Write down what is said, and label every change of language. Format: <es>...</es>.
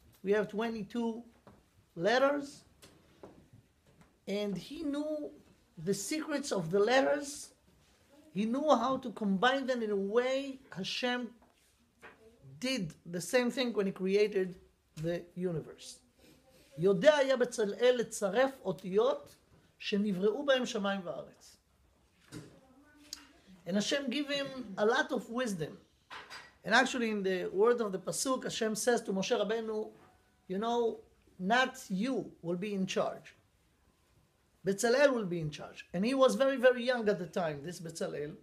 <en>We have 22 letters. And he knew the secrets of the letters. He knew how to combine them in a way Hashem did the same thing when he created the universe.</en> <he>יודע היה בצלאל לצרף אותיות שנבראו בהם שמיים וארץ.</he> <en>And Hashem gave him a lot of wisdom. And actually in the word of the Pasuk, Hashem says to Moshe Rabbeinu, you know, not you will be in charge. Bezalel will be in charge. And he was very, very young at the time, this Bezalel.</en>